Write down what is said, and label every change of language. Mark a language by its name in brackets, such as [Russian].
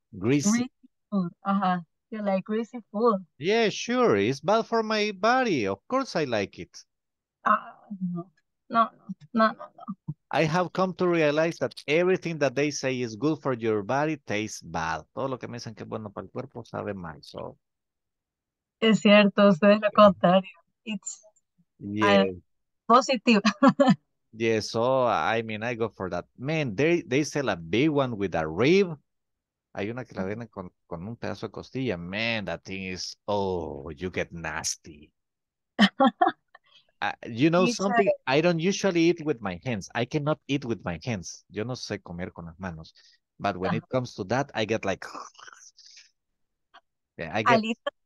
[English] food. You like greasy food. Yeah, sure. It's bad for my body. Of course I like it. No. I have come to realize that everything that they say is good for your body tastes bad. [Spanish] Todo lo que me dicen que es bueno para el cuerpo sabe mal. [English] So. [Spanish] Es cierto, es lo contrario. [English] It's positive. Yeah, so I mean, I go for that. Man, they sell a big one with a rib. [Spanish] Hay una que la viene con un pedazo de costilla. [English] Man, that thing is, oh, you get nasty. you know it's something? I don't usually eat with my hands. I cannot eat with my hands. [Spanish] Yo no sé comer con las manos. [English] But when it comes to that, I get like... Yeah, I get...